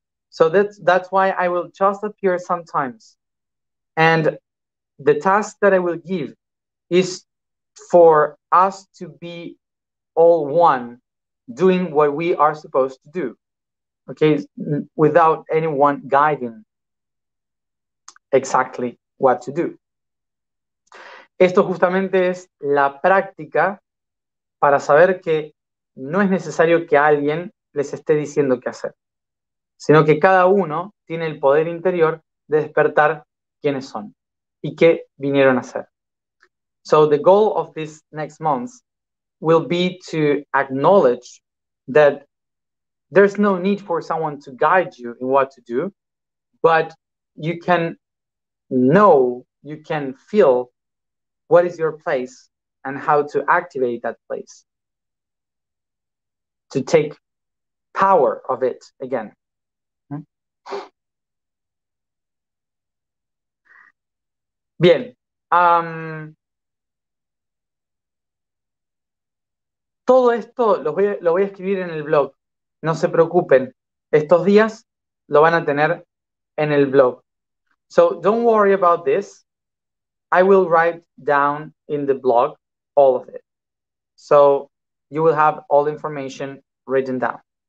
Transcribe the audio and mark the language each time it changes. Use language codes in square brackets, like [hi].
[en] So that's why I will just appear sometimes. And the task that I will give is for us to be all one doing what we are supposed to do, okay, without anyone guiding exactly what to do. [es] Esto justamente es la práctica para saber que no es necesario que alguien les esté diciendo qué hacer, sino que cada uno tiene el poder interior de despertar quiénes son y qué vinieron a hacer. [en] So the goal of this next month will be to acknowledge that there's no need for someone to guide you in what to do, but you can know, you can feel what is your place and how to activate that place, to take power of it again. [es] Bien. Todo esto lo voy a escribir en el blog. No se preocupen. Estos días lo van a tener en el blog. [en] So don't worry about this. I will write down in the blog all of it. So you will have all the information written down.